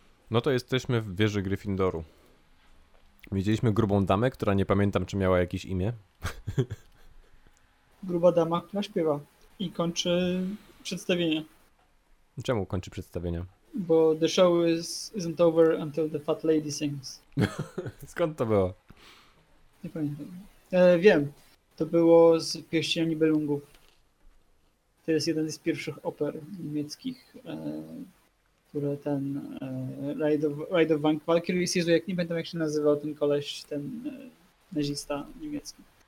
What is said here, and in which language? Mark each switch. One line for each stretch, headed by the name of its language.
Polish: No to jesteśmy w wieży Gryffindoru. Widzieliśmy grubą damę, która nie pamiętam, czy miała jakieś imię. Gruba dama, która śpiewa i kończy przedstawienie. Czemu kończy przedstawienie? Bo
English: the show isn't over until the fat lady sings.
Polish: Skąd to było? Nie pamiętam. Wiem. To było z Pieścienia Nibelungów. To jest jeden z pierwszych oper niemieckich, które ten Ride of Valkyries, Jezu, jak nie pamiętam jak się nazywał ten koleś, ten nazista niemiecki.